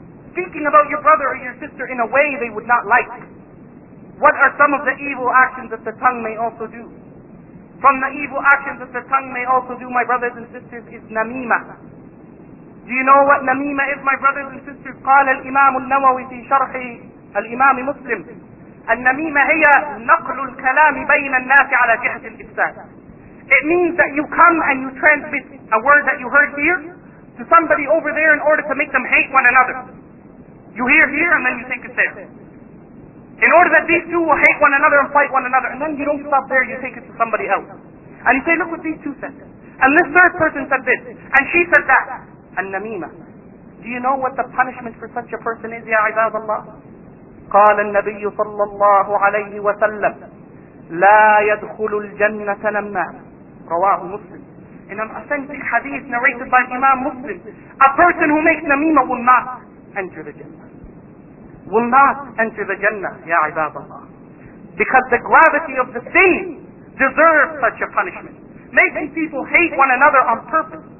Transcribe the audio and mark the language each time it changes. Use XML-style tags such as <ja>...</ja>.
<en>Speaking about your brother or your sister in a way they would not like. What are some of the evil actions that the tongue may also do? From the evil actions that the tongue may also do, my brothers and sisters, is namima. Do you know what namima is, my brothers and sisters?</en> <ar>قال الإمام النووي في شرح الإمام مسلم النميمة هي نقل الكلام بين الناس على جهة الإفساد.</ar> <en>It means that you come and you transmit a word that you heard here to somebody over there in order to make them hate one another. You hear here and then you take it there. In order that these two will hate one another and fight one another, and then you don't stop there, you take it to somebody else. And you say, look what these two said. And this third person said this. And she said that. النميمة. Do you know what the punishment for such a person is,</en> <ar>ya عباد الله? قال النبي صلى الله عليه وسلم لا يدخل الجنة نمام. رواه مسلم.</ar> <en>In an authentic hadith narrated by Imam Muslim, a person who makes namima will not enter the Jannah. Will not enter the Jannah,</en> <ar>ya عباد الله.</ar> <en>Because the gravity of the sin deserves such a punishment. Making people hate one another on purpose.</en>